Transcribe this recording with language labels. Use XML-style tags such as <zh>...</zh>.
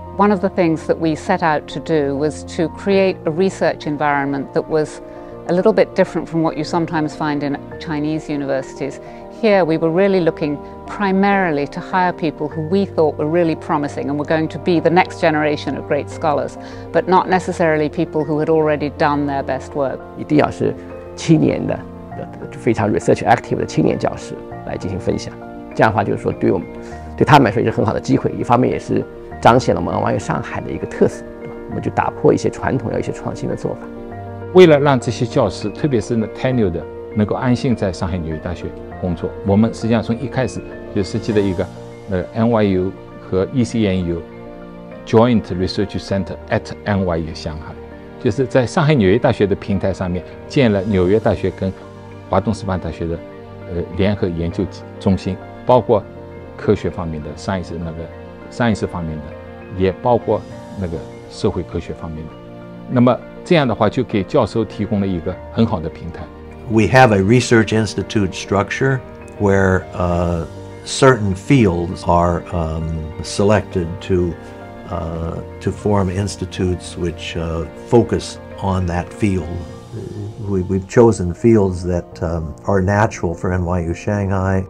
<en>One of the things that we set out to do was to create a research environment that was a little bit different from what you sometimes find in Chinese universities. Here we were really looking primarily to hire people who we thought were really promising and were going to be the next generation of great scholars, but not necessarily people who had already done their best work.</en> <zh>一定要是七年的非常</zh> <en>research active</en> <zh>的青年教师来进行分享，这样的话就是说对我们对他们来说也是很好的机会，一方面也是彰显了我们 NYU 上海的一个特色，对吧？我们就打破一些传统，要一些创新的做法。为了让这些教师，特别是 tenured 的，能够安心在上海纽约大学工作，我们实际上从一开始就设计了一个NYU 和 ECNU</zh> <en>Joint Research Center at NYU</en> <zh>上海，就是在上海纽约大学的平台上面建了纽约大学跟华东师范大学的联合研究中心，包括科学方面的 science 那个 science 方面的，也包括那个社会科学方面的。那么这样的话就给教授提供了一个很好的平台。</zh> <en>We have a research institute structure where certain fields are selected to form institutes which focus on that field. We've chosen fields that are natural for NYU Shanghai.</en>